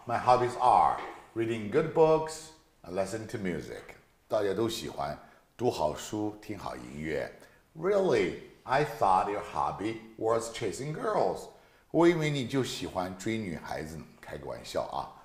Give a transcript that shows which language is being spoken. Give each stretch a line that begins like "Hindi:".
English: My hobbies are reading good books and listening to music.
Chinese: 大家都喜欢读好书听好音乐。
English: Really, I thought your hobby was chasing girls.
Chinese: 我以为你就喜欢追女孩子，开个玩笑啊。